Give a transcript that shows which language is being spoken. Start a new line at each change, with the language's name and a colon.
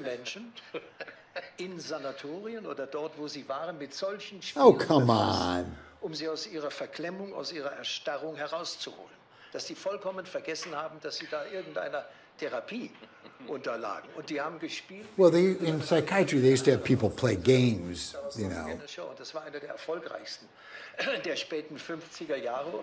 German: Menschen in Sanatorien oder dort, wo sie waren, mit solchen Spielen. Oh, come befasst. On. Um sie aus ihrer Verklemmung, aus ihrer Erstarrung herauszuholen. Dass sie vollkommen vergessen haben, dass sie da irgendeiner Therapie unterlagen. Und die haben gespielt.
English: Well, in psychiatry, they used to have people play games, you know.
German: Und Das war einer der erfolgreichsten der späten 50er Jahre.